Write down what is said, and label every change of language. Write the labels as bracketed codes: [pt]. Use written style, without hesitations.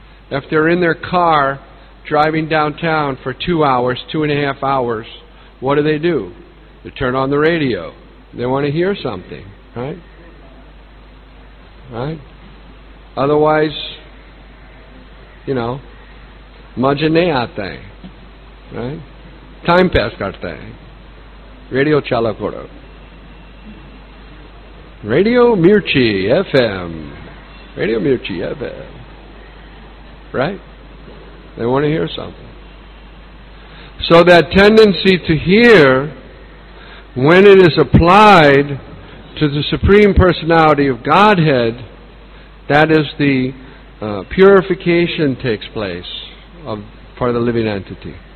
[en] If they're in their car driving downtown for 2 hours, 2.5 hours, what do they do? They turn on the radio. They want to hear something, right? Right? Otherwise, you know, [hi] मजा ने आते, [en] right? [hi] Time पास करते. Radio चला करो. [en] Radio Mirchi FM. Radio Mirchi FM. Right? They want to hear something. So that tendency to hear, when it is applied to the Supreme Personality of Godhead, that is the purification takes place for the living entity.